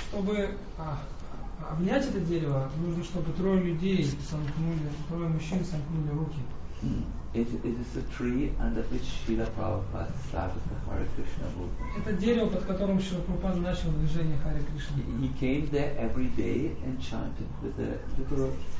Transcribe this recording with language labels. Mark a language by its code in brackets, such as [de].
[ru] Чтобы обнять это дерево, нужно, чтобы трое людей сомкнули, трое мужчин сомкнули руки. [en] It is a tree under which Srila Prabhupada started the Hare Krishna movement. [ru] Это дерево, под которым Шрила Прабхупада начал движение Харе Кришны. [en] He came there every day and chanted with a little